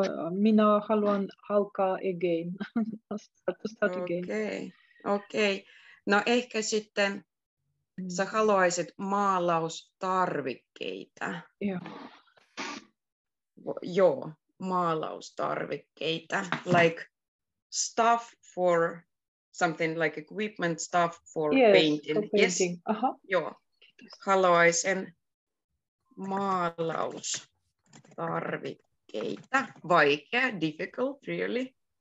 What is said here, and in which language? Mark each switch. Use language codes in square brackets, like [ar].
[fi] Minä haluan alkaa again. [en] start again. [fi] Okei. Okay. Okei. No ehkä sitten sä haluaisit maalaustarvikkeita. Joo, maalaustarvikkeita. [en] Like stuff for something, like equipment stuff for painting. Yes, uh-huh. [fi] Joo, haluaisin maalaustarvikkeita. Vaikea, difficult, really.